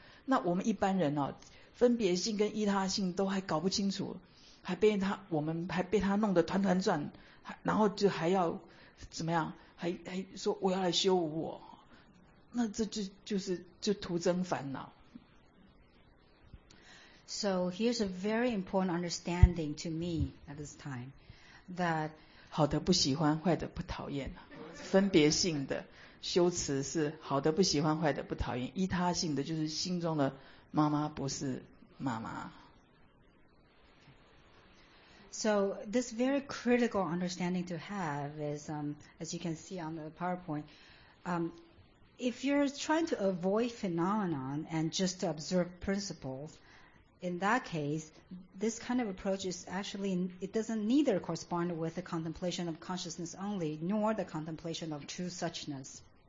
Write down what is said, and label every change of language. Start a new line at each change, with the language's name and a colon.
Chinese: 那我们一般人哦，分别性跟依他性都还搞不清楚，我们还被他弄得团团转，然后就还要怎么样，还说我要来修我，那这就是徒增烦恼。
English: So here's a very important understanding to me at this time, that
Chinese: 好的不喜欢，坏的不讨厌，分别性的修持是好的不喜欢，坏的不讨厌，依他性的就是心中的妈妈不是妈妈。
English: So this very critical understanding to have is as you can see on the PowerPoint, if you're trying to avoid phenomenon and just to observe principles, in that case, this kind of approach is actually, it doesn't neither correspond with the contemplation of consciousness only, nor the contemplation of true suchness.